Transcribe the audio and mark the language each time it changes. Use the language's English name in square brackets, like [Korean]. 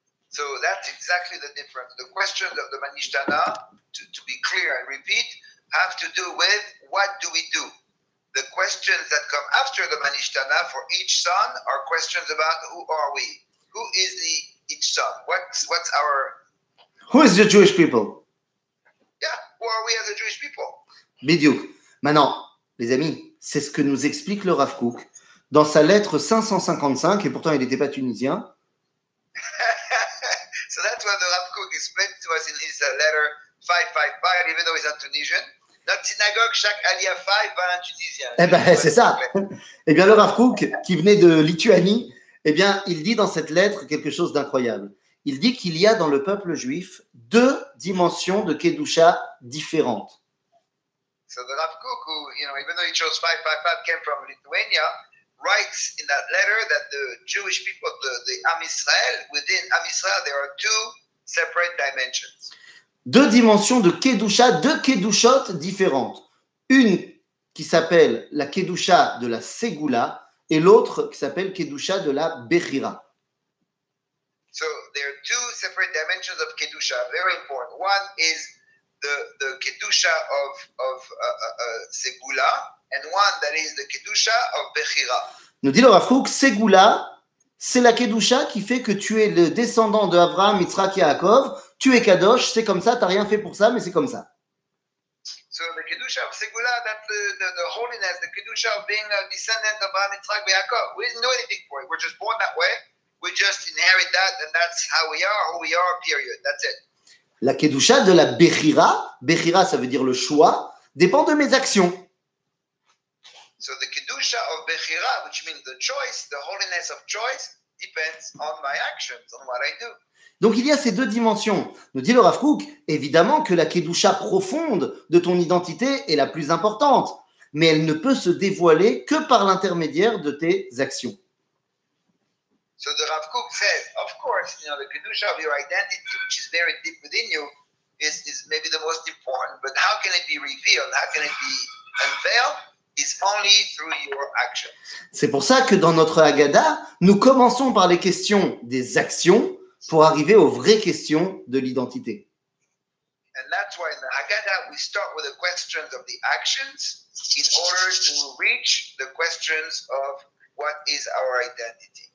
[English] So that's exactly the difference. The questions of the Manishtana, to be clear, I repeat, have to do with what do we do. The questions that come after the Manishtana for each son are questions about who are we. Who is the each son? What's our? Who is the Jewish people? Yeah, who are we as a Jewish people? [Hebrew] Bidiouk. [French] Maintenant, les amis, c'est ce que nous explique le Rav Kook dans sa lettre 555, et pourtant il n'était pas tunisien. [English] So that's what the Rav Kook explained to us in his letter 555, even though he's not Tunisian. [French] Notre synagogue, chaque aliyah 5 va en tunisien. Eh bien, c'est ça. Eh bien, le Rav Kook, qui venait de Lituanie, eh bien, il dit dans cette lettre quelque chose d'incroyable. Il dit qu'il y a dans le peuple juif deux dimensions de Kedusha différentes. [English] So the Rav Kook, who, you know, even though he chose 555, came from Lithuania, writes in that letter that the Jewish people, the Am Israel, within Am Israel, there are two separate dimensions. [French] Deux dimensions de Kedusha, deux Kedushot différentes. Une qui s'appelle la Kedusha de la Segula, et l'autre qui s'appelle Kedusha de la Bechira. [English] So there are two separate dimensions of Kedusha, very important. One is the Kedusha of Segula, and one that is the Kedusha of Bechira. [French] Nous dit le Rav Kook, Segula, c'est la Kedusha qui fait que tu es le descendant de Avraham, Yitzhak, Yaakov, tu es Kadosh, c'est comme ça, tu n'as rien fait pour ça, mais c'est comme ça. [English] So the kedusha of segula, that the holiness, the kedusha of being a descendant of Abraham, Yitzhak, and Jacob. We didn't do anything for it. We're just born that way. We just inherit that, and that's how we are, who we are. Period. That's it. [French] La kedusha de la bechira, bechira, ça veut dire le choix, dépend de mes actions. [English] So the kedusha of bechira, which means the choice, the holiness of choice, depends on my actions, on what I do. [French] Donc il y a ces deux dimensions. Nous dit le Rav Kook, évidemment que la Kedusha profonde de ton identité est la plus importante, mais elle ne peut se dévoiler que par l'intermédiaire de tes actions. [English] So the Rav Kook says, of course, you know, the Kedusha of your identity, which is very deep within you, is maybe the most important, but how can it be revealed, how can it be unveiled? Is only through your actions. [French] C'est pour ça que dans notre Haggadah, nous commençons par les questions des actions, pour arriver aux vraies questions de l'identité. [English] And that's why in the Haggadah, we start with the questions of the actions in order to reach the questions of what is our identity.